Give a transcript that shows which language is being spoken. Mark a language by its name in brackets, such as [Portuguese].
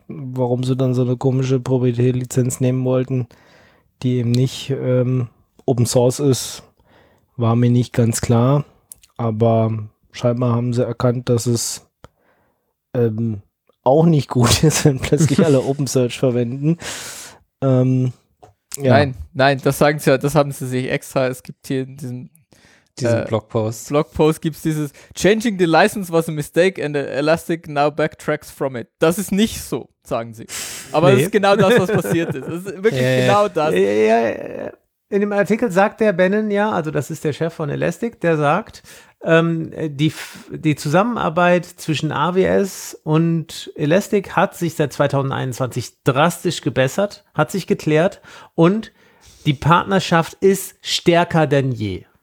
[German] Warum sie dann so eine komische Proprietärlizenz nehmen wollten, die eben nicht Open Source ist, war mir nicht ganz klar. Aber scheinbar haben sie erkannt, dass es auch nicht gut ist, wenn plötzlich alle OpenSearch verwenden. Nein, das sagen sie ja, das haben sie sich extra. Es gibt hier in diesem diesen Blogpost. Blogpost gibt es dieses [English] Changing the license was a mistake and Elastic now backtracks from it. [German] Das ist nicht so, sagen sie. Aber nee. Das ist genau das, was passiert ist. Das ist wirklich genau das. In dem Artikel sagt der Bannon ja, also das ist der Chef von Elastic, der sagt, die Zusammenarbeit zwischen AWS und Elastic hat sich seit 2021 drastisch gebessert, hat sich geklärt und die Partnerschaft ist stärker denn je.